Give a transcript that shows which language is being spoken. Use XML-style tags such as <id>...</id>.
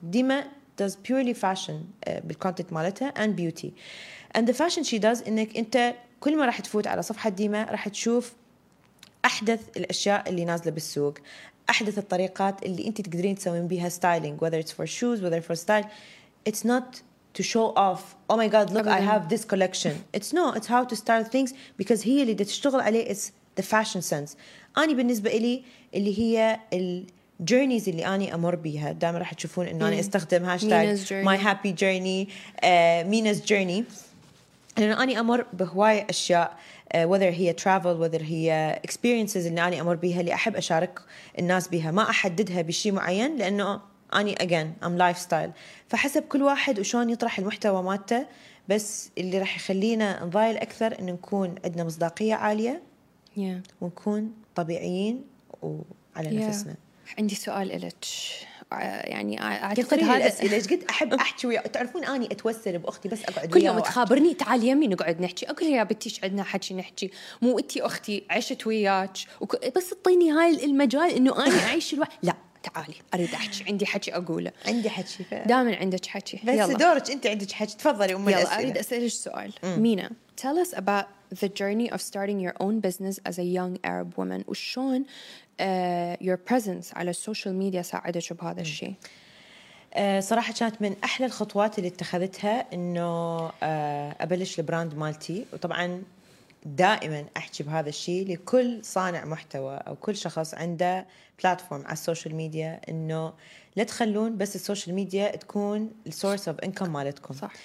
<en>ديما does purely fashion بالcontent</en> <ar>مالتها</ar> <en>and beauty. And the fashion she does</en> <ar>إنك أنت كل ما راح تفوت على صفحة ديما راح تشوف أحدث الأشياء اللي نازلة بالسوق، أحدث الطريقات اللي أنت تقدرين تسوين بها</ar> <en>styling, whether it's for shoes, whether for style. It's not to show off, oh my God, look, I have this collection. It's no, it's how to style things because</en> <ar>هي اللي تشتغل عليه</ar> <en>is the fashion sense.</en> <ar>أنا بالنسبة إلي اللي هي الجيرنيز اللي أنا أمر بيها دائما راح تشوفون إنه أنا استخدم</ar> <en>hashtag my happy journey, Mina's journey.</en> <ar>لأنه أنا أمر بهواي أشياء</ar> <en>whether</en> <ar>هي</ar> <en>travel, whether</en> <ar>هي</ar> <en>experiences</en> <ar>اللي أنا أمر بيها اللي أحب أشارك الناس بيها، ما أحددها بشيء معين لأنه أني</ar> <en>again I'm lifestyle.</en> <ar>فحسب كل واحد وشون يطرح المحتوى مالته، بس اللي راح يخلينا نضايل أكثر إن نكون عندنا مصداقية عالية ونكون طبيعيين وعلى نفسنا. عندي سؤال إلك، يعني أعتقد هذا الأسئلة إيش قد أحب أحكي ويا تعرفون أني أتوسل بأختي بس أقعد كل يوم تخابرني تعال يمي نقعد نحكي، أقول يا بنتي إيش عندنا حكي نحكي، مو أنتي أختي عشت وياك بس اعطيني هاي المجال إنه أنا أعيش الوقت. لا تعالي أريد أحكي، عندي حكي أقوله، عندي حكي دائما عندك حكي، بس يلا. دورك أنت عندك حكي، تفضلي أم الأسئلة. أريد أسألك سؤال.</ar> <en>مينا tell us about the journey of starting your own business as a young Arab woman.</en> <ar>وشون</ar> <en>your presence</en> <ar>على السوشيال ميديا ساعدتك بهذا الشيء؟ صراحة كانت من أحلى الخطوات اللي اتخذتها إنه أبلش البراند مالتي، وطبعاً دائما احكي بهذا الشيء لكل صانع محتوى او كل شخص عنده بلاتفورم على السوشيال ميديا، انه لا تخلون بس السوشيال ميديا تكون السورس اوف انكم مالتكم.</ar>